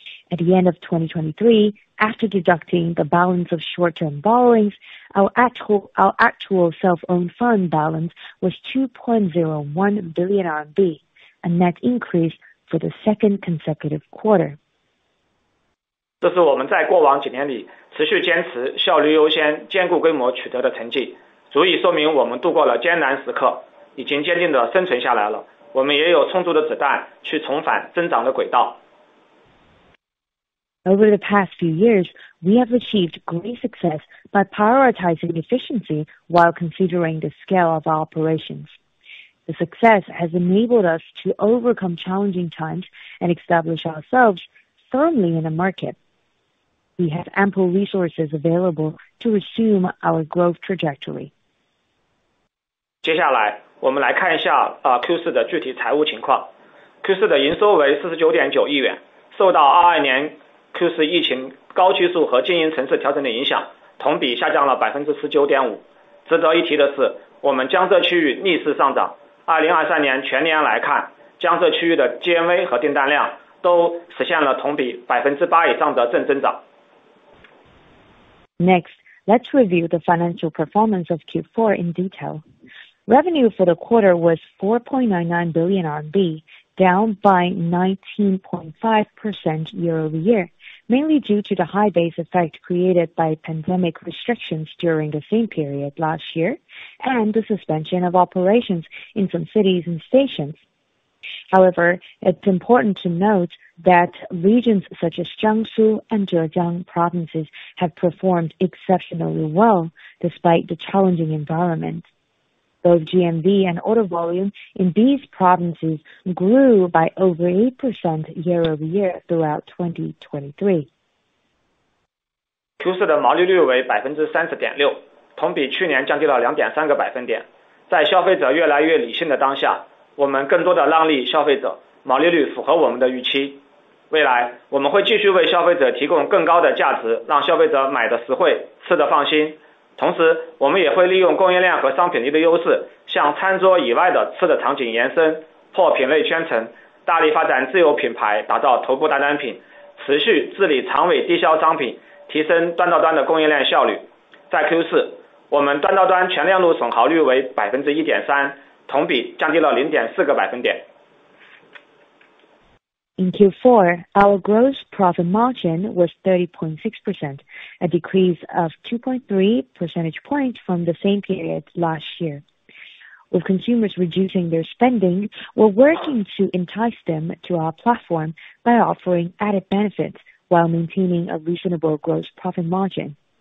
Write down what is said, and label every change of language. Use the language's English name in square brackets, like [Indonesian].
[English] At the end of 2023, after deducting the balance of short-term borrowings, our actual self-owned fund balance was 2.01 billion RMB, a net increase for the second consecutive quarter. [Chinese] 这是我们在过往几年里持续坚持效率优先、兼顾规模取得的成绩，足以说明我们度过了艰难时刻，已经坚定地生存下来了。我们也有充足的子弹去重返增长的轨道。 [English] Over the past few years, we have achieved great success by prioritizing efficiency while considering the scale of our operations. The success has enabled us to overcome challenging times and establish ourselves firmly in the market. We have ample resources available to resume our growth trajectory. [Chinese] 接下来，我们来看一下Q4 的具体财务情况。 Q4 的营收为 49.9 亿元，受到22年Q4 疫情高基数和经营层次调整的影响，同比下降了 19.5%。值得一提的是，我们江浙区域逆势上涨，2023年全年来看，江浙区域的 GMV 和订单量都实现了同比 8% 以上的正增长。 [English] Next, let's review the financial performance of Q4 in detail. Revenue for the quarter was 4.99 billion RMB, down by 19.5% year over year. Mainly due to the high base effect created by pandemic restrictions during the same period last year and the suspension of operations in some cities and stations. However, it's important to note that regions such as Jiangsu and Zhejiang provinces have performed exceptionally well despite the challenging environment. Both GMV and order volume in these provinces grew by over 8% year over year throughout 2023. [Chinese] Q4 的毛利率为 30.6%， 同比去年降低了2.3个百分点。在消费者越来越理性的当下，我们更多的让利消费者，毛利率符合我们的预期。未来，我们会继续为消费者提供更高的价值，让消费者买的实惠，吃的放心。同时，我们也会利用供应链和商品力的优势，向餐桌以外的吃的场景延伸，破品类圈层，大力发展自有品牌，打造头部大单品，持续治理长尾低销商品，提升端到端的供应链效率。在 Q4， 我们端到端全链路损耗率为 1.3%， 同比降低了 0.4 个百分点。 [English] In Q4, our gross profit margin was 30.6%, a decrease of 2.3 percentage points from the same period last year. With consumers reducing their spending, we're working to entice them to our platform by offering added benefits while maintaining a reasonable gross profit margin.